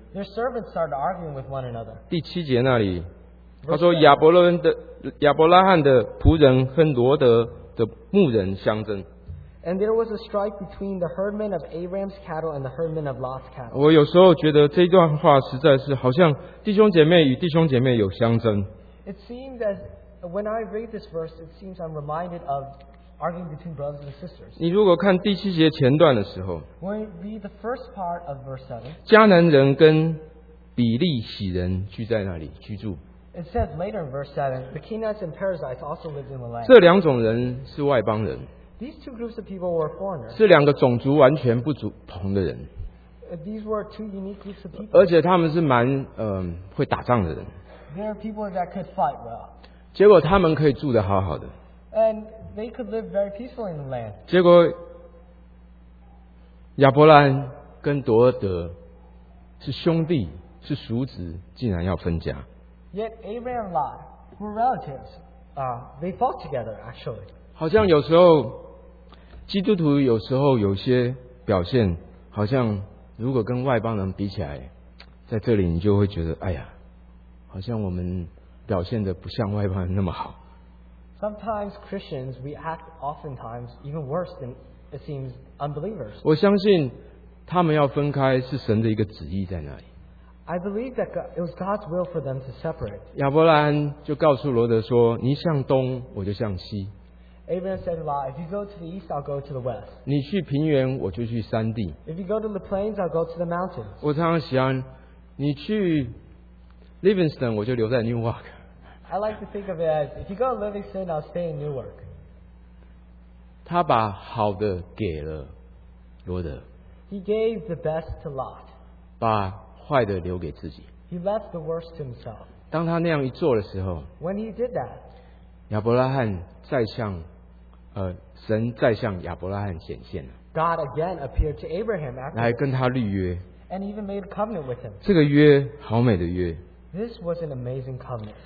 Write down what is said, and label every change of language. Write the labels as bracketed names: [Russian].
[English] Their servants started arguing with one another. [Chinese] 第七节那里，他说亚伯拉罕的仆人和罗德的牧人相争。 [English] And there was a strike between the herdmen of Abraham's cattle and the herdmen of Lot's cattle. [Chinese] 我有时候觉得这段话实在是好像弟兄姐妹与弟兄姐妹有相争。 [English] It seems that when I read this verse, it seems I'm reminded of arguing between brothers and sisters. [Chinese] 你如果看第七节前段的时候， [English] When you read the first part of verse 7, [Chinese] 迦南人跟比利洗人聚在那里居住。 [English] It says later in verse 7, the Kenites and Perizzites also lived in the land. [Chinese] 这两种人是外邦人。 [English] These two groups of people were foreigners. [Chinese] 是两个种族完全不同的人。 [English] These were two unique groups of people. [Chinese] 而且他们是蛮会打仗的人。 [English] They are people that could fight well. [Chinese] 结果他们可以住得好好的。 [English] And they could live very peacefully in the land. [Chinese] 结果亚伯兰跟罗德是兄弟，是叔侄，竟然要分家。 [English] Yet Abraham and Lot were relatives. They fought together, actually. [Chinese] 好像有时候基督徒有时候有些表现好像如果跟外邦人比起来在这里你就会觉得哎呀好像我们表现的不像外邦人那么好。 [English] Sometimes Christians, we act oftentimes even worse than it seems unbelievers. [Chinese] 我相信他们要分开是神的一个旨意在那里。 [English] I believe that it was God's will for them to separate. [Chinese] 亚伯拉罕就告诉罗德说你向东我就向西。 [English] Abraham said to Lot, if you go to the east, I'll go to the west. [Chinese] 你去平原，我就去山地。 [English] If you go to the plains, I'll go to the mountains. [Chinese] 我常常喜欢，你去 Livingston, 我就留在 Newark. [English] I like to think of it as, if you go to Livingston, I'll stay in Newark. [Chinese] 他把好的给了罗德。 [English] He gave the best to Lot. [Chinese] 把坏的留给自己。 [English] He left the worst to himself. [Chinese] 当他那样一做的时候， [English] When he did that, [Chinese] 亚伯拉罕再向神再向亚伯拉罕显现了。 [English] God again appeared to Abraham after [Chinese] 来跟他立约。 [English] And even made a covenant with him. [Chinese] 这个约好美的约。 [English] This was an amazing covenant.